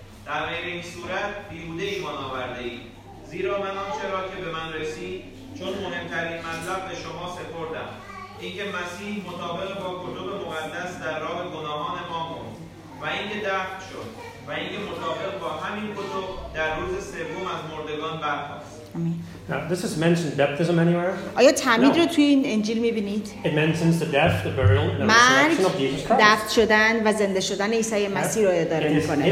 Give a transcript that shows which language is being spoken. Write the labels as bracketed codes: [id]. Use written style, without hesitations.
[fa] در غیر این صورت بیهوده ایمان آورده اید. زیرا من آنچه را که به من رسید چون مهمترین مطلب به شما سپردم، اینکه مسیح مطابق با کتب مقدس در راه گناهان ما مرد و اینکه دفن شد و اینکه مطابق با همین کتب در روز سوم از مردگان برخاست. [en] Now, this is mentioned baptism anywhere? [fa] آیا تعمید رو توی این انجیل می‌بینید؟ [en] It mentions the death, the burial, and the resurrection of Jesus Christ. [fa] دفن شدن و زنده شدن عیسی مسیح رو اداره می‌کنه.